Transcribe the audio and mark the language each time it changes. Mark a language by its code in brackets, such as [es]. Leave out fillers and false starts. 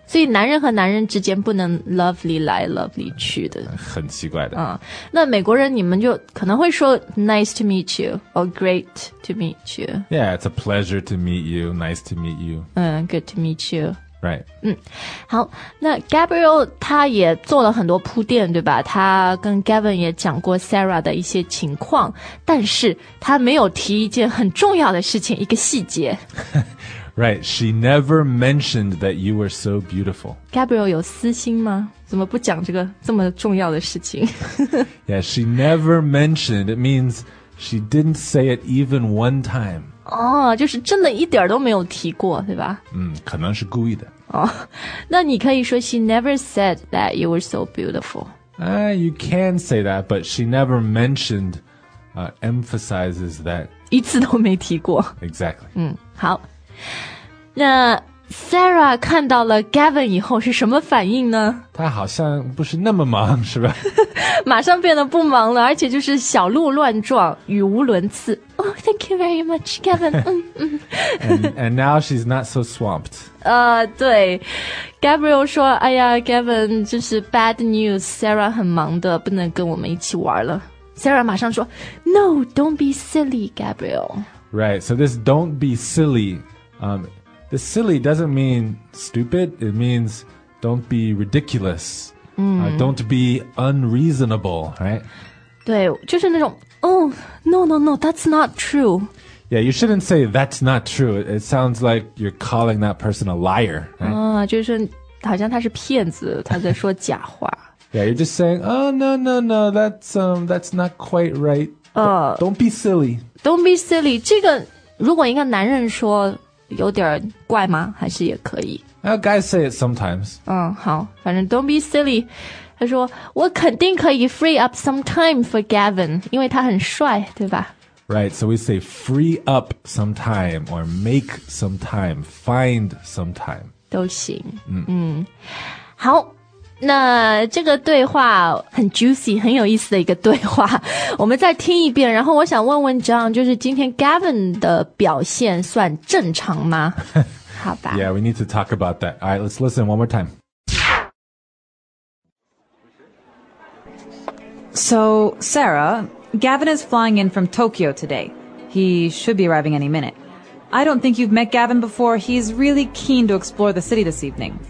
[zh] 所以男人和男人之间不能 lovely 来 lovely 去的。很奇怪的。那美国人你们就可能会说 [en] nice to meet you, or great to meet you. Yeah, it's a pleasure to meet you, nice to meet you. Good to meet you. Right. [zh] 好，那 Gabriel 他也做了很多铺垫，对吧？他跟 Gavin 也讲过 Sarah 的一些情况，但是他没有提一件很重要的事情，一个细节。 [en] Right, she never mentioned that you were so beautiful. [zh] Gabriel 有私心吗？怎么不讲这个这么重要的事情？ [en] Yeah, she never mentioned. It means she didn't say it even one time. [zh] 就是真的一点都没有提过，对吧？可能是故意的。那你可以说 [en] she never said that you were so beautiful. You can say that, but she never mentioned, emphasizes that. [zh] 一次都没提过。 [en] Exactly. [zh] 好。那 Sarah 看到了 Gavin 以后是什么反应呢？他好像不是那么忙，是吧？马上变得不忙了，而且就是小鹿乱撞，语无伦次。 [en] Oh, thank you very much, Gavin. and now she's not so swamped. [zh] 对 ，Gabriel 说：“哎呀 ，Gavin， 就是 [en] bad news. [zh] Sarah 很忙的，不能跟我们一起玩了。” [en] Sarah [zh] 马上说 [en] ：“No, don't be silly, Gabriel. Right. So this don't be silly.” The silly doesn't mean stupid. It means don't be ridiculous. Don't be unreasonable, right? [zh] 对，就是那种 [en] that's not true. Yeah, you shouldn't say that's not true. It sounds like you're calling that person a liar. Right? [zh] 就是好像他是骗子，他在说假话。 [en] Yeah, you're just saying, oh, no, that's not quite right. Don't be silly. Don't be silly. [zh] 这个如果一个男人说有点怪吗？还是也可以。 [en] Guys say it sometimes. [zh] 好，反正 [en] don't be silly. [zh] 他说我肯定可以 [en] free up some time [zh] for Gavin, 因为他很帅，对吧？ [en] Right. So we say free up some time or make some time, find some time. [zh] 都行。好，那这个对话很 juicy, 很有意思的一个对话。我们再听一遍，然后我想问问 John, 就是今天 Gavin 的表现算正常吗？好吧。 [en] Yeah, we need to talk about that. All right, let's listen one more time. So, Sarah, Gavin is flying in from Tokyo today. He should be arriving any minute. I don't think you've met Gavin before. He's really keen to explore the city this evening.